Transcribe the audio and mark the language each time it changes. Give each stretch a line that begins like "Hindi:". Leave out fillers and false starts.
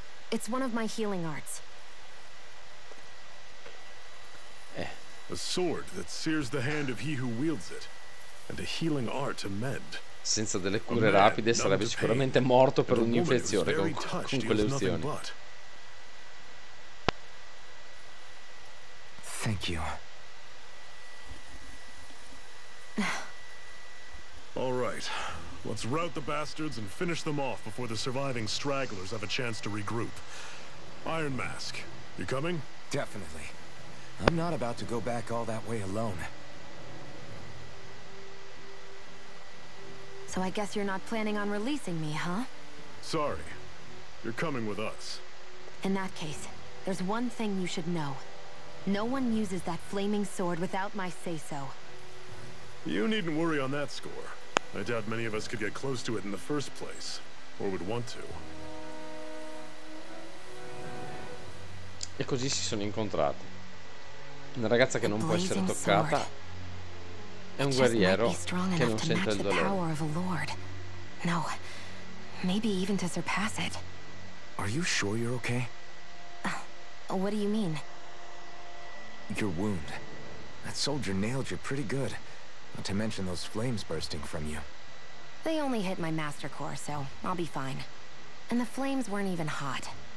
English: It's one of my healing arts. A sword that sears the hand of he who wields it, and a healing art to mend.
Italian: Senza delle cure rapide sarebbe sicuramente morto per un'infezione con quelle uzioni.
English: Thank you. All right, let's rout the bastards and finish them off before the surviving stragglers have a chance to regroup. Iron Mask, you coming? Definitely. I'm not about to go back all that way alone. So I guess you're not planning on releasing me, huh? Sorry. You're coming with us. In that case, there's one thing you should know. No one uses that flaming sword without my say-so. You needn't worry on that score. I doubt many of us could get close to it in the first place, or would want to.
Italian: E così si sono incontrati. Una ragazza che non può essere toccata è un guerriero che non sente il dolore.
English: No, maybe even to surpass it. Are you sure you're okay? What do you mean? Your wound. That soldier nailed you pretty good. Not to mention those flames bursting from you. They only hit my master core, so I'll be fine. And the flames weren't even hot.